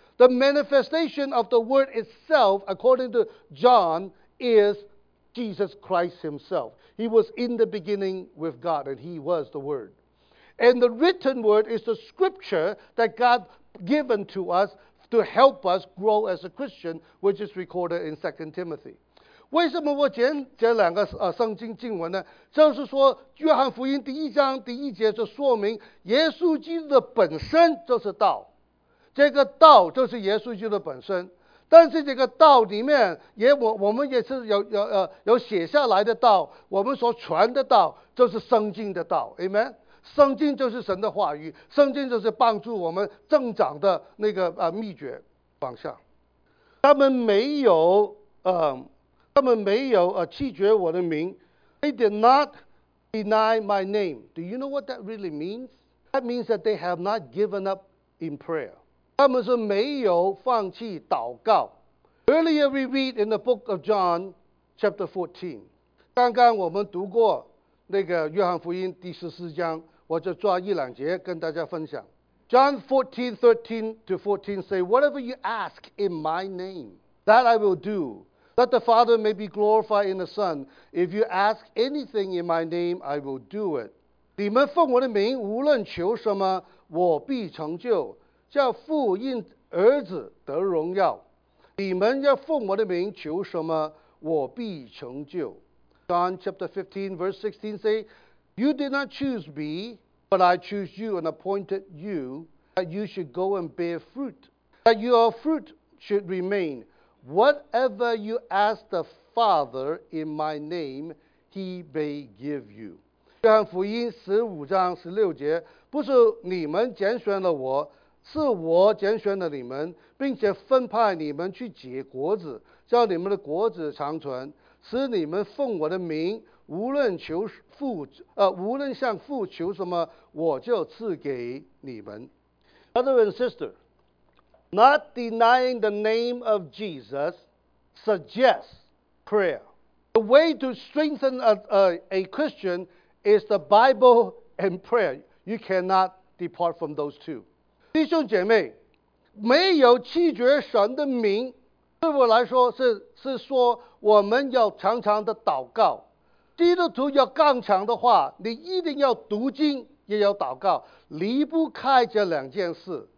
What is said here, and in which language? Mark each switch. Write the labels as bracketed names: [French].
[English] The manifestation of the word itself, according to John, is Jesus Christ himself. He was in the beginning with God and he was the word. And the written word is the scripture that God given to us to help us grow as a Christian, which is recorded in 2 Timothy. [Chinese] 为什么我拣这两个圣经经文呢？就是说，约翰福音第一章第一节就说明，耶稣基督的本身就是道，这个道就是耶稣基督的本身。但是这个道里面也我们也是有写下来的道，我们所传的道就是圣经的道。 [English] Amen. [Chinese] 圣经就是神的话语，圣经就是帮助我们增长的那个秘诀。往下，他们没有弃绝我的名。 [English] They did not deny my name. Do you know what that really means? That means that they have not given up in prayer. [Chinese] 他们是没有放弃祷告。 [English] Earlier we read in the book of John, chapter 14. [Chinese] 刚刚我们读过那个约翰福音第十四章，我就抓一两节跟大家分享。 [English] John 14, 13 to 14 say, Whatever you ask in my name, that I will do, that the Father may be glorified in the Son. If you ask anything in my name, I will do it. [Chinese] 你们奉我的名，无论求什么，我必成就，叫父因儿子得荣耀。你们要奉我的名求什么，我必成就。 [English] John chapter 15, verse 16 say, You did not choose me, but I choose you and appointed you that you should go and bear fruit, that your fruit should remain. Whatever you ask the Father in my name, he may give you. [Chinese] 约翰福音十五章十六节，不是你们拣选了我，是我拣选了你们，并且分派你们去结果子，叫你们的果子长存，使你们奉我的名，无论求父，无论向父求什么，我就赐给你们。 [English] Brother and sister, not denying the name of Jesus suggests prayer. The way to strengthen a Christian is the Bible and prayer. You cannot depart from those two. [Chinese] 弟兄姐妹，没有弃绝神的名，对我来说是说我们要常常的祷告。基督徒要刚强的话，你一定要读经，也要祷告，离不开这两件事。